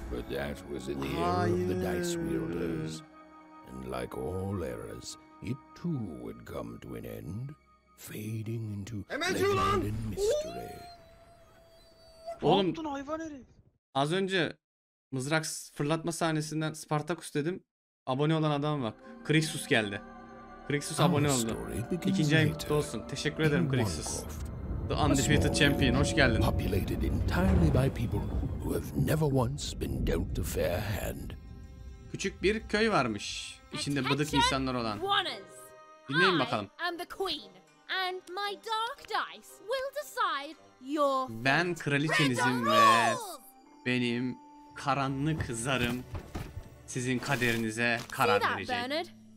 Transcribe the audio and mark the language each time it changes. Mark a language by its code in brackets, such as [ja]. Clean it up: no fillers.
[en] That was in the era of the dice wielders, and like all eras, it too would come to an end, fading into legend and mystery. [tr] Oğlum, az önce mızrak fırlatma sahnesinden Spartacus dedim, abone olan adam bak, Crixus geldi. Crixus abone oldu. İkinci ayın kutlu olsun. Teşekkür ederim Crixus. The Undefeated Champion, hoş geldin. [en] Populated entirely by people who have never once been dealt a fair hand. [tr] Küçük bir köy varmış, içinde bıdık insanlar olan. Dinleyin bakalım. [en] I am the queen, and my dark dice will decide your fate. [tr] Ben kraliçenizim ve benim karanlık zarım sizin kaderinize karar verecek.